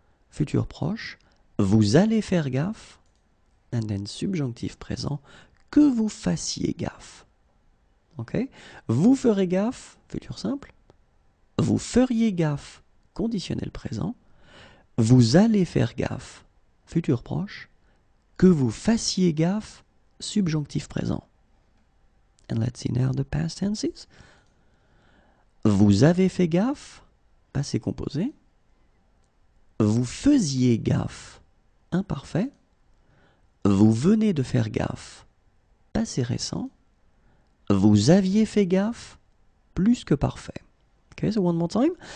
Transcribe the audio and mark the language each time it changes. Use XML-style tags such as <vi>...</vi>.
<fr>Futur proche, vous allez faire gaffe.</fr> <en>And then</en> <fr>subjonctif présent, que vous fassiez gaffe. Okay? Vous ferez gaffe, futur simple. Vous feriez gaffe, conditionnel présent. Vous allez faire gaffe, futur proche. Que vous fassiez gaffe, subjonctif présent.</fr> <en>And let's see now the past tenses.</en> <fr>Vous avez fait gaffe, passé composé. Vous faisiez gaffe, imparfait. Vous venez de faire gaffe, passé récent. Vous aviez fait gaffe, plus que parfait.</fr> <en>Okay, so one more time.</en>